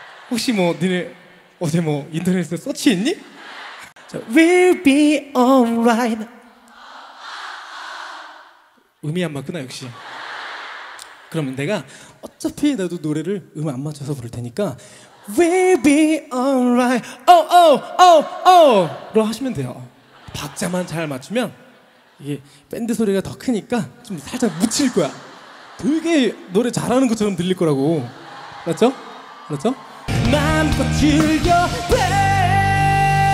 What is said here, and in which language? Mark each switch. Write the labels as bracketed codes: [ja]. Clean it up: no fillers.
[ko] 혹시 뭐 니네 어제 뭐 인터넷에 서치했니? [en] We'll be alright. [ko] 음이 안 맞구나, 역시. 그러면 내가 어차피 나도 노래를 음 안 맞춰서 부를 테니까 [en] We'll be alright. [ko] Oh oh oh oh로 하시면 돼요. 박자만 잘 맞추면 이게 밴드 소리가 더 크니까 좀 살짝 묻힐 거야. 되게 노래 잘하는 것처럼 들릴 거라고. 맞죠? 맞죠? 마음껏 즐겨 돼.